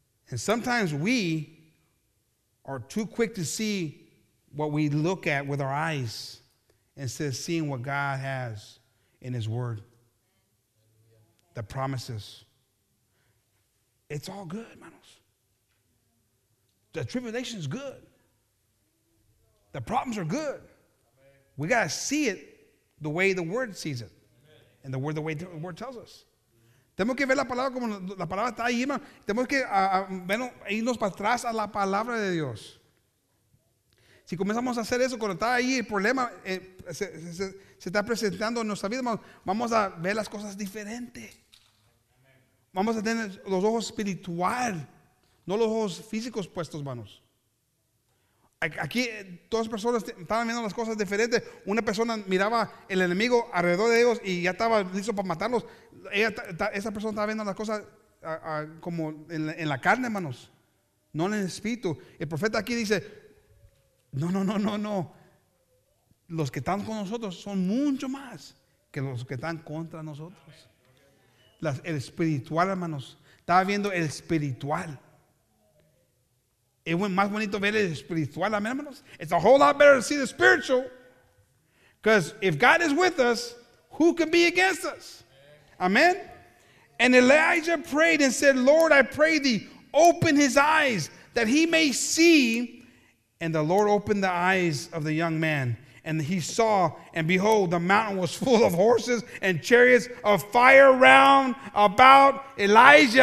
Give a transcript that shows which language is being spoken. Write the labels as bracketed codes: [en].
[en] And sometimes we are too quick to see what we look at with our eyes, instead of seeing what God has in his word, the promises. It's all good, manos. The tribulation is good. The problems are good. We got to see it the way the word sees it. And the word tells us. [es] Tenemos que ver la palabra como la palabra está ahí, hermano. Tenemos que irnos para atrás a la palabra de Dios. Si comenzamos a hacer eso, cuando está ahí el problema se está presentando en nuestra vida, vamos a ver las cosas diferente. Vamos a tener los ojos espiritual, no los ojos físicos puestos, manos. Aquí todas las personas estaban viendo las cosas diferentes. Una persona miraba el enemigo alrededor de ellos y ya estaba listo para matarlos. Esa persona estaba viendo las cosas como en la carne, manos, no en el espíritu. El profeta aquí dice, no. Los que están con nosotros son mucho más que los que están contra nosotros. El espiritual, hermanos, estaba viendo el espiritual. Es más bonito ver el espiritual, amén, hermanos. [en] It's a whole lot better to see the spiritual, because if God is with us, who can be against us? Amen. And Elijah prayed and said, Lord, I pray thee, open his eyes that he may see. And the Lord opened the eyes of the young man, and he saw, and behold, the mountain was full of horses and chariots of fire round about Elijah.